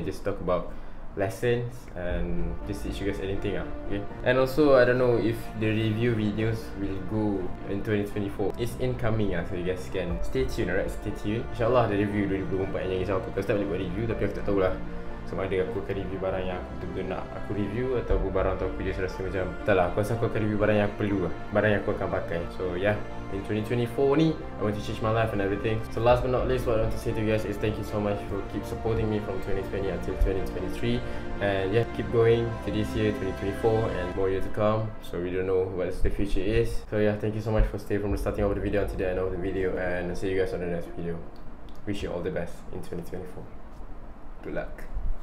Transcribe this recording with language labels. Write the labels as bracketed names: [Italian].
[English] I just talk about lessons and just teach you guys anything lah, okay? And also I don't know if the review videos will go in 2024. It's incoming lah, so you guys can stay tuned, alright? Stay tuned. [Malay] InsyaAllah [English] the review 2024 [Malay] yang risau aku. Aku tak boleh buat review, tapi aku tak tahu lah sama ada aku akan review barang yang aku betul-betul nak aku review ataupun barang atau aku just rasa macam tak lah, aku rasa aku akan review barang yang aku perlu lah, barang yang aku akan pakai. [English] So yeah, in 2024 ni I want to change my life and everything. So last but not least, what I want to say to you guys is thank you so much for keep supporting me from 2020 until 2023. And yeah, keep going to this year 2024 and more years to come. So we don't know what the future is. So yeah, thank you so much for staying from the starting of the video until the end of the video, and I'll see you guys on the next video. Wish you all the best in 2024. Good luck.